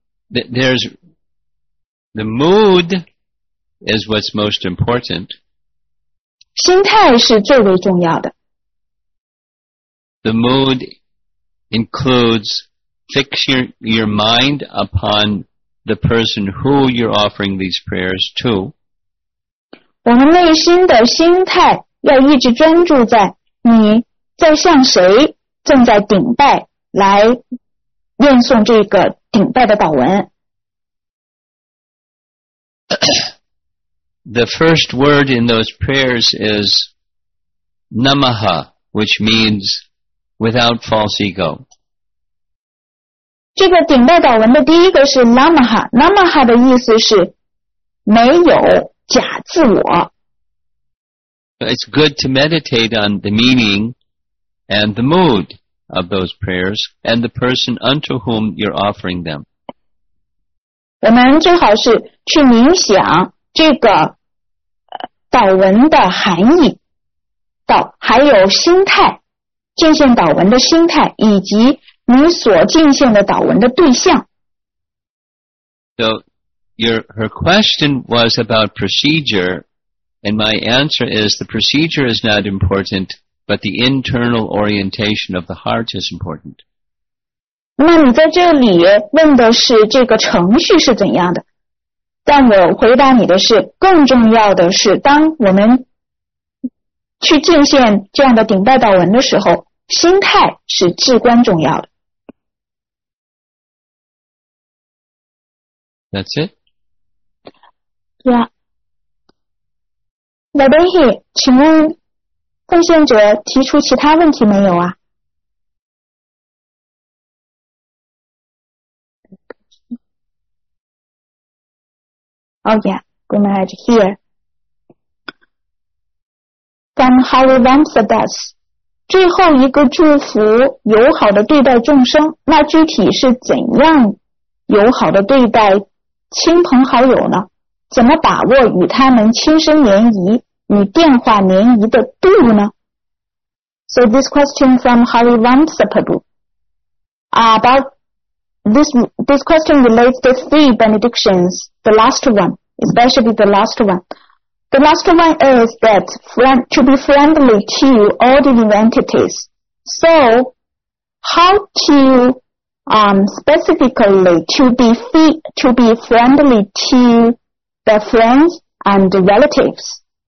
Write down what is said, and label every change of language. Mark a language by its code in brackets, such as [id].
[en] There's the mood is what's most important. [zh] 心态是最为重要的。 [en] The mood includes fixing your mind upon the person who you're offering these prayers to. [zh] 我们内心的心态要一直专注在你在向谁正在顶拜来念诵这个顶拜的祷文。 [en] The first word in those prayers is Namaha, which means without false ego. [zh] 这个顶拜祷文的第一个是 Namaha. Namaha 的意思是没有假自我。 [en] It's good to meditate on the meaning and the mood. Of those prayers and the person unto whom you're offering them. [zh] 我们最好是去冥想这个祷文的含义，还有心态，敬献祷文的心态，以及你所敬献的祷文的对象。 [en] So, her question was about procedure, and my answer is the procedure is not important, but the internal orientation of the heart is important. [zh] 那你在这里问的是这个程序是怎样的？但我回答你的是，更重要的是，当我们去敬献这样的顶拜祷文的时候，心态是至关重要的。 [en] That's it. Yeah. [zh] Lebehi, 请问奉献者提出其他问题没有啊？ [en] Oh yeah, good night here. Then how we want for this? [zh] 最后一个祝福，友好的对待众生，那具体是怎样友好的对待亲朋好友呢？怎么把握与他们亲身联谊、与电话联谊的度呢？ [en] So this question from Hari Vamsapabu. About this question relates to three benedictions, the last one, especially the last one. The last one is that to be friendly to all living entities. So how to specifically to be friendly to the friends and the relatives.